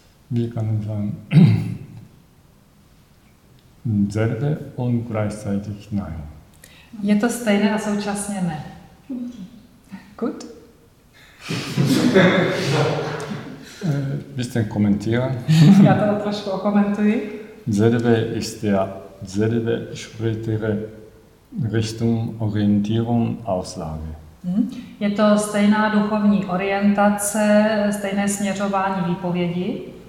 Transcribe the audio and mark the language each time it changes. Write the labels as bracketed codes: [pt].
[de] Wir können sagen, selbe und gleichzeitig nein. [cs] Je to stejné a současně ne. [de] Gut. Bisschen kommentieren. [cs] Já to trošku okomentuji. [de] Selbe ist der selbe spätere Richtung, Orientierung, Auslage. [cs] Je to stejná duchovní orientace, stejné směřování výpovědi.